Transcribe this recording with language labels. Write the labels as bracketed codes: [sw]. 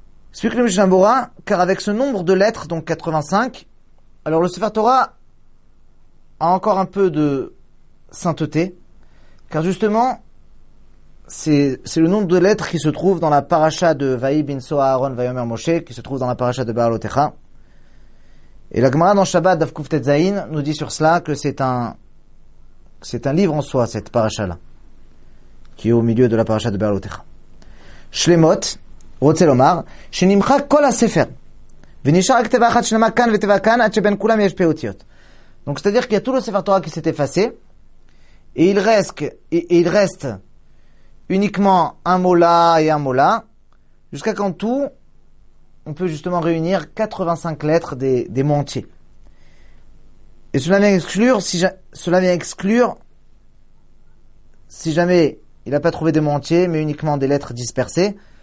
[fr] Explique le Mishnah Bora, car avec ce nombre de lettres, donc 85, alors le Sefer Torah a encore un peu de sainteté, car justement, c'est le nombre de lettres qui se trouve dans la paracha de Vayi bin Soa Aaron Vayomer Moshe, qui se trouve dans la paracha de Baal Otecha. Et la Gemara dans Shabbat d'Avkuf Tetzain nous dit sur cela que c'est un livre en soi, cette paracha-là, qui est au milieu de la paracha de Baal Otecha. Shlemot, [he] רוצה לומר שנמחק כל הספר ונשאר רק תיבה אחת שלמה כאן ותיבה כאן עד שבין כולם יש פאותיות. [fr] Donc c'est-à-dire qu'il y a tout le Sefer Torah qui s'est effacé et il reste uniquement un mot là et un mot là jusqu'à quand tout on peut justement réunir 85 lettres des mots entiers. Et cela vient exclure si jamais il n'a pas trouvé des mots entiers mais uniquement des lettres dispersées.